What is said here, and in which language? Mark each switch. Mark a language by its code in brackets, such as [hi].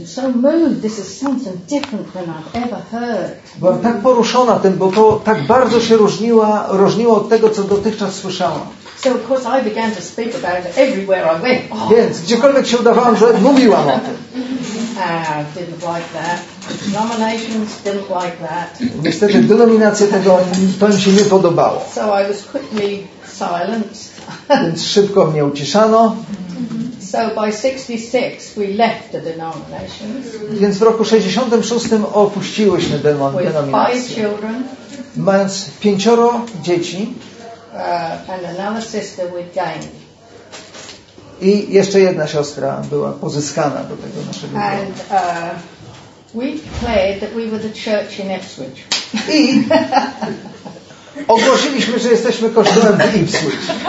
[en] This is something different than I've ever heard. [pl] Byłam tak poruszona tym, bo to tak bardzo się różniło od tego, co dotychczas słyszałam. [en] So of course I began to speak about it everywhere I went. [pl] Więc gdziekolwiek się udawałam, że mówiłam o tym. [en] Didn't like that. Denominations didn't like that. [pl] Niestety denominacje tego to mi się nie podobało. [en] So I was quickly silenced. [pl] Więc szybko mnie uciszano. [en] So by 66 we left the denominations. [pl] Więc w roku 66 opuściłyśmy denominację. [en] With five children. [pl] mając pięcioro dzieci. [en] And another sister with dying. [pl] I jeszcze jedna siostra była pozyskana do tego naszego domu. [en] And we played that we were the church in Ipswich. [pl] I ogłosiliśmy, że jesteśmy kościołem w Ipswich.